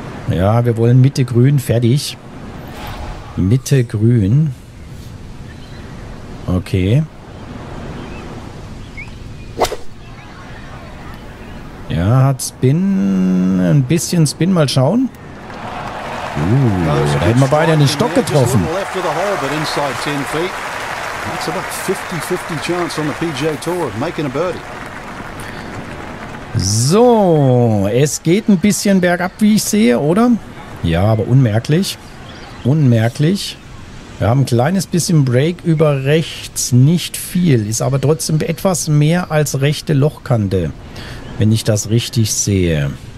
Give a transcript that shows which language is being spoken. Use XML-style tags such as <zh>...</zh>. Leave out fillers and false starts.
<de>Ja, wir wollen Mitte grün, fertig. Mitte grün. Okay. Ja, hat Spin, ein bisschen Spin, mal schauen. Da hätten wir beide einen Stock getroffen.</de> <en>That's about 50-50 chance on the PGA Tour of making a birdie.</en> <de>So, es geht ein bisschen bergab, wie ich sehe, oder? Ja, aber unmerklich. Unmerklich. Wir haben ein kleines bisschen Break über rechts, nicht viel. Ist aber trotzdem etwas mehr als rechte Lochkante, wenn ich das richtig sehe.</de>